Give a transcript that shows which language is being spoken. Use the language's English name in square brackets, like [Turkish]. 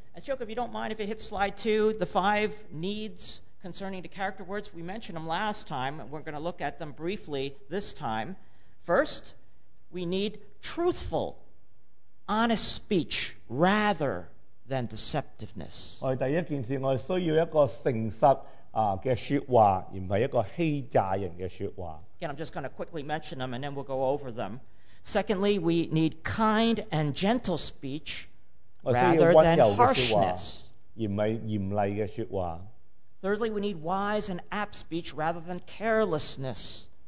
[English] And Chuck, if you don't mind, if you hit slide 2, the 5 needs concerning the character words, we mentioned them last time, and we're going to look at them briefly this time. First, we need truthful, honest speech rather than deceptiveness. [Cantonese] 第一件事，我需要一個誠實嘅說話，而唔係一個欺詐人嘅說話。 [English] Again, I'm just going to quickly mention them, and then we'll go over them. Secondly, we need kind and gentle speech rather than harshness. Thirdly, we need wise and apt speech rather than carelessness.